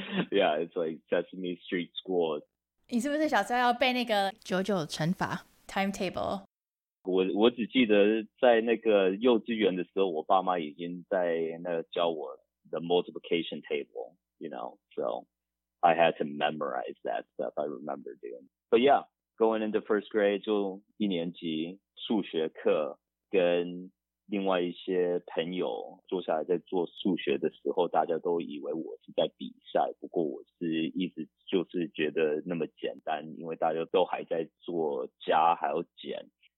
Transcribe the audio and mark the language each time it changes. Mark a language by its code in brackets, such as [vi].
[en] Yeah, it's like Sesame Street School. [zh] 你是不是小时候要背那个九九乘法 timetable? 我只记得在那个幼稚园的时候，我爸妈已经在那教我 [en] the multiplication table, you know, so I had to memorize that stuff. I remember doing. But yeah, going into first grade, [zh] 就一年级数学课，跟另外一些朋友坐下来在做数学的时候，大家都以为我是在比赛。不过我是一直就是觉得那么简单，因为大家都还在做加还有减。